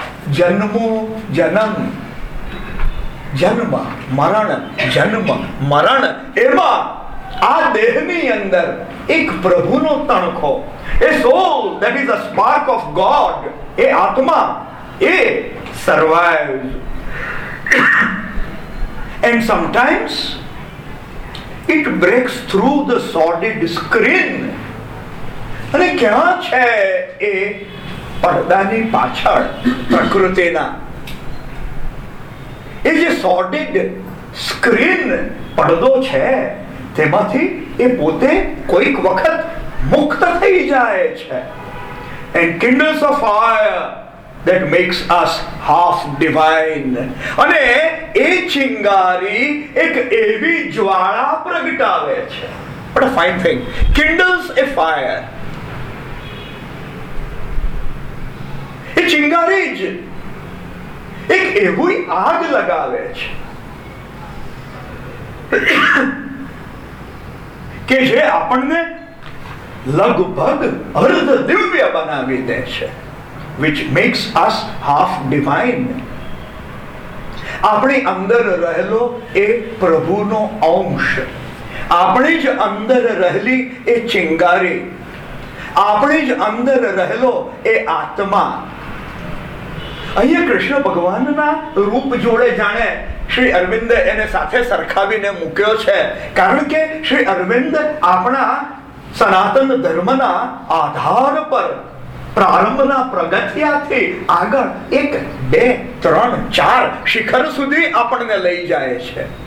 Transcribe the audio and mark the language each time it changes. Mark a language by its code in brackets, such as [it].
[gu] જન્મો જન્મ, જન્મ મરણ, જન્મ મરણ, એમાં આ દેહની અંદર એક પ્રભુનો તણખો, એ [en] soul that is a spark of God, [gu] એ આત્મા, એ સર્વાઈવ્સ. [en] And sometimes it breaks through the sordid screen. [gu] અને ક્યાં છે એ પડદાની પાછળ પ્રકૃતિના, એ જે [en] sordid screen [gu] પડદો છે, તેમાંથી એ પોતે કોઈક વખત મુક્ત થઈ જાય છે. [en] And kindles a fire that makes us half divine. [gu] અને એ ચિંગારી એક એવી જ્વાળા પ્રગટાવે છે. [en] What a fine thing. Kindles a fire. [gu] એ ચિંગારી જ એક એવી આગ લગાવે છે કે જે આપણને લગભગ અર્ધ દિવ્ય બનાવી દે છે. [en] Which makes us half divine. [gu] આપણી અંદર રહેલો એ પ્રભુનો અંશ, આપણી જ અંદર રહેલી એ ચિંગારી, આપણી જ અંદર રહેલો એ આત્મા. અહીંયા કૃષ્ણ ભગવાનના રૂપ જોડે જાણે શ્રી અરવિંદ એને સાથે સરખાવીને મૂક્યો છે, કારણ કે શ્રી અરવિંદ આપણા સનાતન ધર્મના આધાર પર પ્રારંભના પ્રગતિયાથી આગળ એક બે ત્રણ ચાર શિખર સુધી આપણને લઈ જાય છે.